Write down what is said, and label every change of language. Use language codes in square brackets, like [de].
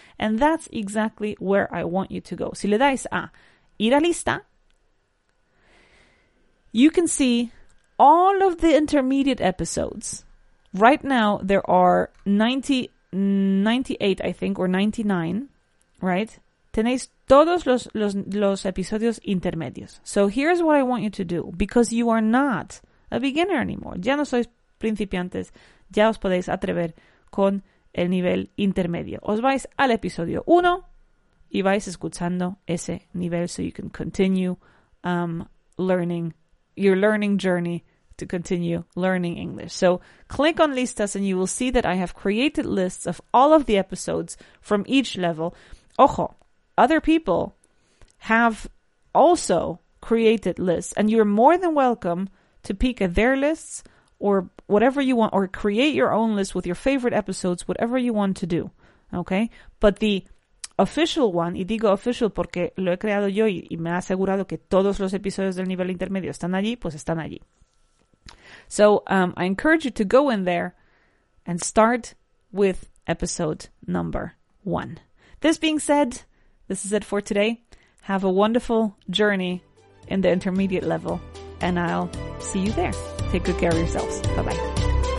[en] And that's exactly where I want you to go. [es] Si le dais a ir a lista, [en] you can see all of the intermediate episodes. Right now, there are 98, I think, or 99, right? [es] Tenéis todos los episodios intermedios. [en] So here's what I want you to do, because you are not a beginner anymore. [es] Ya no sois principiantes, ya os podéis atrever con el nivel intermedio. Os vais al episodio 1 y vais escuchando ese nivel [en] so you can continue learning, your learning journey to continue learning English. So click on listas and you will see that I have created lists of all of the episodes from each level. Ojo, other people have also created lists and you're more than welcome to peek at their lists or whatever you want, or create your own list with your favorite episodes, whatever you want to do. Okay? [es] But the official one, y digo official porque lo he creado yo y me ha asegurado que todos los episodios del nivel intermedio están allí, pues están allí. [en] So I encourage you to go in there and start with episode number 1. This being said, this is it for today. Have a wonderful journey in the intermediate level, and I'll see you there. Take good care of yourselves. Bye-bye.